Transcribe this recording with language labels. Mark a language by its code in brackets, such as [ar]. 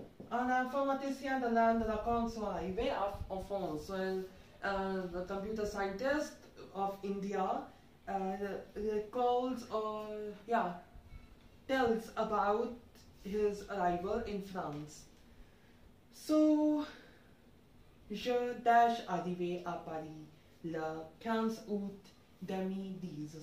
[fr] Un informaticien de l'Inde raconte son arrivée en France. [en] So, the computer scientist of India tells about his arrival in France. [fr] So, je dash arrivé à Paris le 15 août 2010.